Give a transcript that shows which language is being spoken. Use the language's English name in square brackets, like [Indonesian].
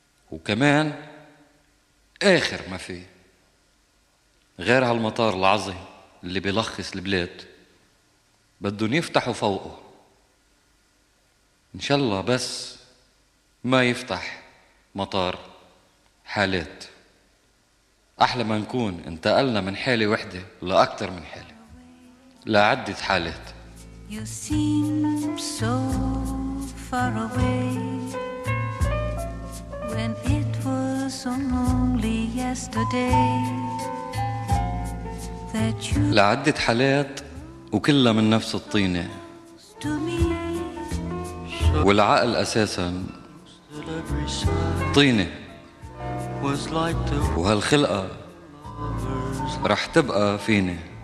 [Arabic] وكمان آخر ما في غير هالمطار العظيم اللي بيلخص البلاد، بدهم يفتحوا فوقه إن شاء الله، بس ما يفتح مطار حالات، أحلى ما نكون انتقلنا من حالة وحدة لأكثر من حالة لعدة حالات. [English] You seem so far away when it was only yesterday that you... [Arabic] لعدة حالات وكلها من نفس الطينة، والعقل أساسا طينة، وهالخلقة رح تبقى فيني.